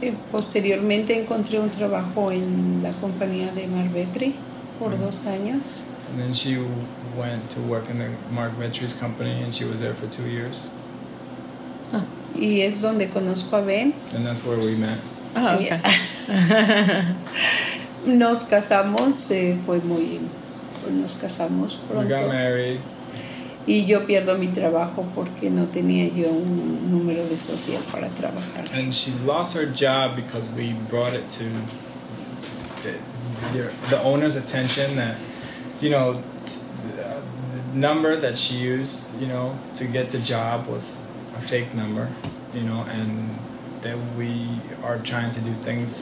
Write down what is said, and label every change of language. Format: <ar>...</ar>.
<es>Posteriormente encontré un trabajo en la compañía de Mark Vetri por 2 años.</es> <en>And then she went to work in the Mark Vetri's company, and she was there for 2 years.</en> <es>Ah, y es donde conozco a Ben.</es> <en>And that's where we met. Oh, okay.</en> <es>Nos casamos, fue muy... Nos casamos pronto.</es> <en>We got married.</en> <es>Y yo pierdo mi trabajo porque no tenía yo un número de social para trabajar.</es> <en>And she lost her job because we brought it to the owner's attention that, you know, the number that she used, you know, to get the job was a fake number, you know, and that we are trying to do things.</en>